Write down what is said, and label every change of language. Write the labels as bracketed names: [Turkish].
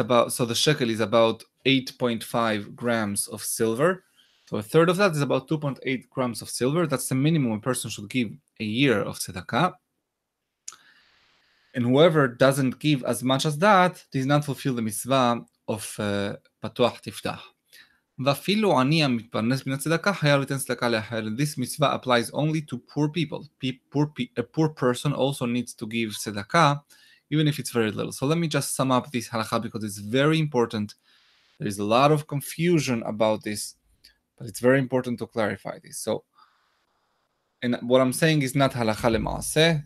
[English] So the shekel is about 8.5 grams of silver. So a third of that is about 2.8 grams of silver. That's the minimum a person should give a year of tzedakah. And whoever doesn't give as much as that does not fulfill the mitzvah of patuach tiftach. [Hebrew] ואפילו עני המתפרנס מן הצדקה חייב לתן צדקה לאחר. [English] This mitzvah applies only to poor people. A poor person also needs to give tzedakah, even if it's very little. So let me just sum up this halakha because it's very important. There is a lot of confusion about this, but it's very important to clarify this. So, and what I'm saying is not halakha lemaaseh.